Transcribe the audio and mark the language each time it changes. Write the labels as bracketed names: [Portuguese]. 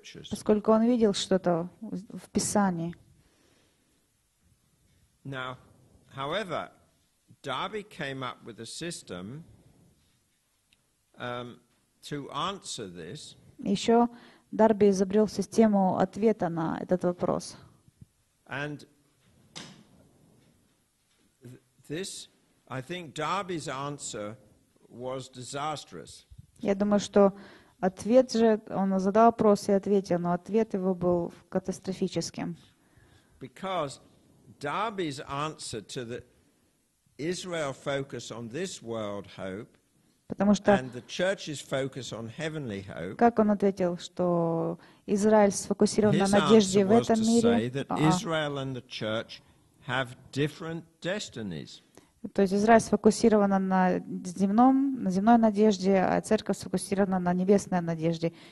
[Russian] Поскольку он видел что-то в Писании. [English] Now, however, Дарби came up with a system to answer this. [Russian] Еще Дарби изобрел систему ответа на этот вопрос. [English] And this, I think, Дарби's answer was disastrous. [Russian] Я думаю, что ответ же, он задал вопрос и ответил, но ответ его был катастрофическим. [English] Because Дарби's answer to the Israel focus on this world hope and the church's focus on heavenly hope. [Russian] Как он ответил, что Израиль сфокусирован на надежде в этом мире? [English] Israel and the church have different destinies. [Russian] То есть Израиль сфокусирован на земной надежде, а церковь сфокусирована на небесной надежде.